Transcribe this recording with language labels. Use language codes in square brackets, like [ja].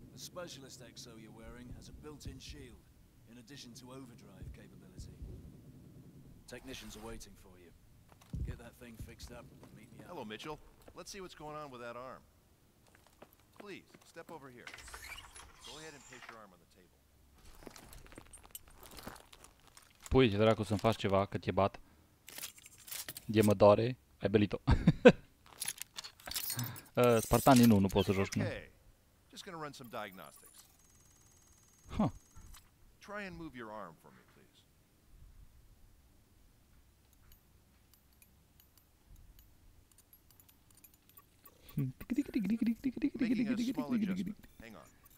[en] The specialist exo you're wearing has a built-in shield, in addition to overdrive capability. Technicians are waiting for you. Get that thing fixed up and meet me out. Hello, Mitchell. Let's see what's going on with that arm. Please, step over here. Go ahead and place your arm on the table. [ro] Pui, ce dracu, să-mi faci ceva, că te bat. De mă doare. Ai belit-o. Spartanii nu pot să joci cu noi. [en] Okay. Just gonna run some diagnostics. Huh. Try and move your arm for me, please. Hang on.